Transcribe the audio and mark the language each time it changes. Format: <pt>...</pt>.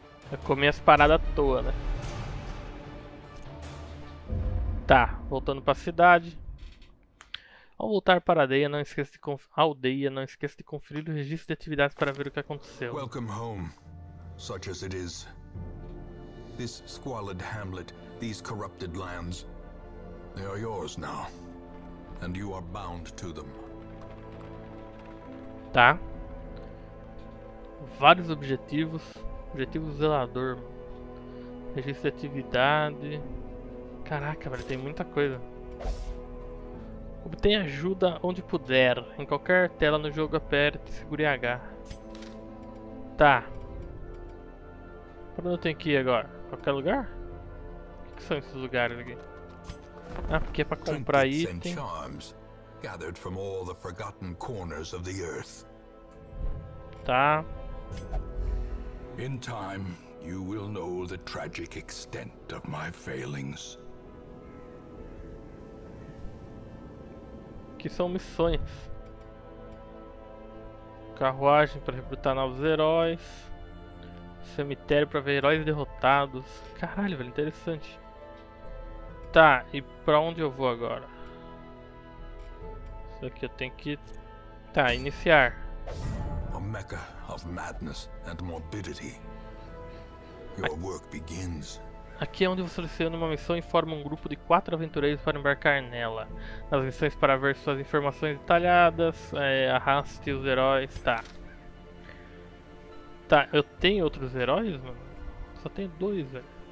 <pt>Eu comi as paradas à toa, né? Tá, voltando pra cidade. Ao voltar para a aldeia, não esqueça de conferir o registro de atividades para ver o que aconteceu.</pt> <en>Welcome home, such as it is. This squalid hamlet, these corrupted lands, they are yours now, and you are bound to them.</en> <pt>Tá. Vários objetivos. Objetivo zelador. Registro de atividade. Caraca, velho, tem muita coisa. Obtenha ajuda onde puder. Em qualquer tela no jogo, aperte e segure H. Tá. Pra onde eu tenho que ir agora? Qualquer lugar? O que são esses lugares aqui? Ah, porque é pra comprar item.</pt> <en>Trinkets</en> <pt>e charmes,</pt> <en>gathered from all the forgotten corners of the earth.</en> <pt>Tá.</pt> <en>In time, you will know the tragic extent of my failings.</en> <pt>Que são missões. Carruagem para recrutar novos heróis. Cemitério para ver heróis derrotados. Caralho, velho, interessante. Tá, e para onde eu vou agora? Isso aqui eu tenho que... Tá, iniciar.</pt> <en>A mecca of madness and morbidity. Your work begins.</en> <pt>Aqui é onde você seleciona uma missão e forma um grupo de 4 aventureiros para embarcar nela. Nas missões para ver suas informações detalhadas, arraste os heróis, tá. Tá, eu tenho outros heróis, mano? Só tenho 2, velho.</pt>